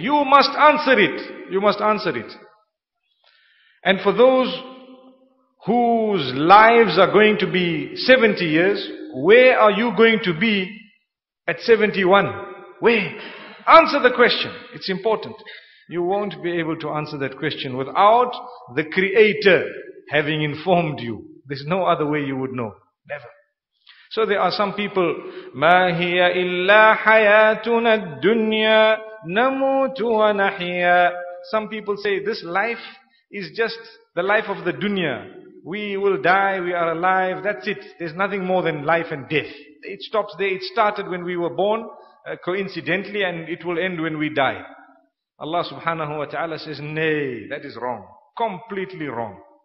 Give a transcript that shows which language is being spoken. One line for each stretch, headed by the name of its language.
English: You must answer it. You must answer it. And for those whose lives are going to be 70 years, where are you going to be at 71? Where? Answer the question. It's important. You won't be able to answer that question without the Creator having informed you. There's no other way you would know. Never. So there are some people,
Arabic: مَا هِيَ إِلَّا حَيَاتُنَا الدُّنْيَا نَمُوتُ وَنَحِيَا.
English: Some people say, this life is just the life of the dunya. We will die, we are alive, that's it. There's nothing more than life and death. It stops there. It started when we were born, coincidentally, and it will end when we die. Allah subhanahu wa ta'ala says, nay, that is wrong. Completely wrong.